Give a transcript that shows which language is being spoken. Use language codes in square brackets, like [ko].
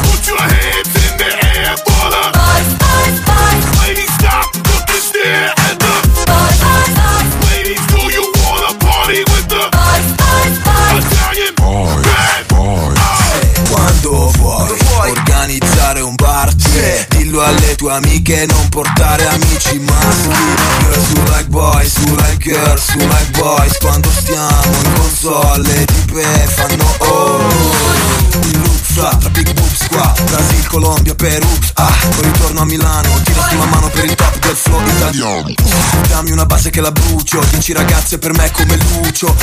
[en] Put your hands in the air for the boys, boys, boys. Ladies, stop, look and stare at the boys, boys, boys. Ladies, do you wanna party with the boys, boys, boys. Italian boys. Bad boys. [it] Quando vuoi, vuoi organizzare un party, yeah. Dillo alle tue amiche, non portare amici maschi. [en] Girls who like boys, who like girls, who like boys. [it] Quando stiamo in console, le tipe fanno oh. Il look fra, tra [en] big boobs [it] qua, Brasil, Colombia, Peru. Ah, poi ritorno a Milano, tiro su una mano per il top del flow italiano. Dammi una base che la brucio, 10 ragazze per me come Lucio.